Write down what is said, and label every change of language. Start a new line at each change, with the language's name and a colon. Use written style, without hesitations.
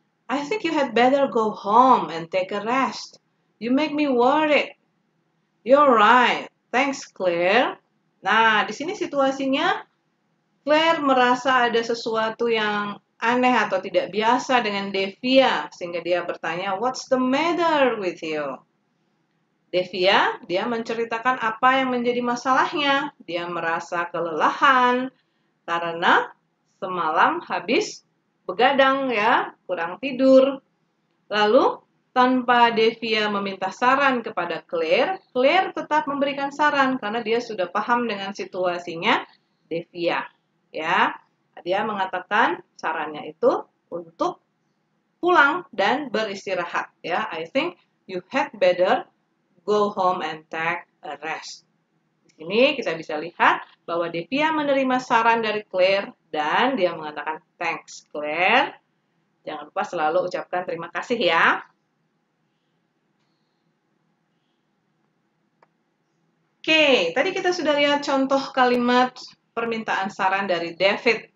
English: I think you had better go home and take a rest. You make me worried. You're right. Thanks, Claire.
Indonesian: Nah, di sini situasinya Claire merasa ada sesuatu yang aneh atau tidak biasa dengan Devia, sehingga dia bertanya,
English: what's the matter with you?
Indonesian: Devia, dia menceritakan apa yang menjadi masalahnya. Dia merasa kelelahan karena semalam habis begadang ya, kurang tidur. Lalu, tanpa Devia meminta saran kepada Claire, Claire tetap memberikan saran karena dia sudah paham dengan situasinya Devia. Ya, dia mengatakan sarannya itu untuk pulang dan beristirahat.
English: Ya, I think you had better go home and take a rest.
Indonesian: Di sini kita bisa lihat bahwa Devia menerima saran dari Claire dan dia mengatakan thanks Claire. Jangan lupa selalu ucapkan terima kasih ya. Oke, tadi kita sudah lihat contoh kalimat permintaan saran dari David.